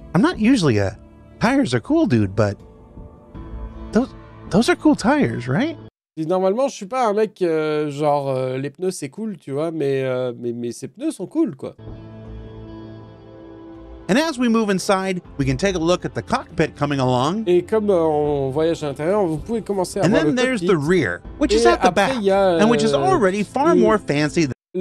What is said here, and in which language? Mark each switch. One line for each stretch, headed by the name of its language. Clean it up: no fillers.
English: I'm not usually a tires are cool dude, but those are cool tires, right?
French: Et normalement, je suis pas un mec les pneus c'est cool, tu vois, mais ses pneus sont cool, quoi.
English: And as we move inside, we can take a look at the cockpit coming along.
French: Et comme on voyage à l'intérieur, vous pouvez commencer à voir le cockpit.
English: And then there's the rear, which
French: et
English: is at the back, and which is already far more fancy than...